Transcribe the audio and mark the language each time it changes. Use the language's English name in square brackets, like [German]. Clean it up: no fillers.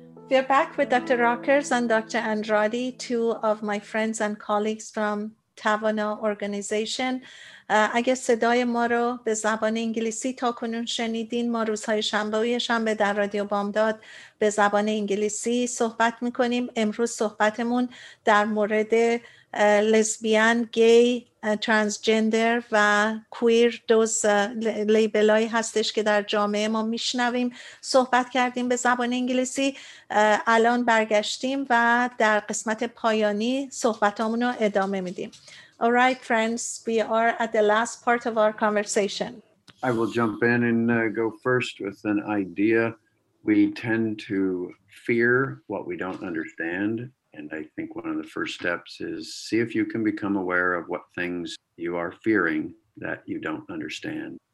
[English] We're back with Dr. Rockers and Dr. Andrade, two of my friends and colleagues from توانا Organization. [Persian] اگه صدای ما رو به زبان انگلیسی تا کنون شنیدین، ما روزهای شنبه و شنبه در رادیو بامداد به زبان انگلیسی صحبت میکنیم. امروز صحبتمون در مورد لزبیان، گی، ترانسجندر و کویر دوز لیبلایی هستش که در جامعه ما میشنویم. صحبت کردیم به زبان انگلیسی، الان برگشتیم و در قسمت پایانی صحبتامون رو ادامه میدیم. [English] All right, friends, we are at the last part of our conversation. I will jump in and go first with an idea. We tend to fear what we don't understand. And I think one of the first steps is see if you can become aware of what things you are fearing that you don't understand.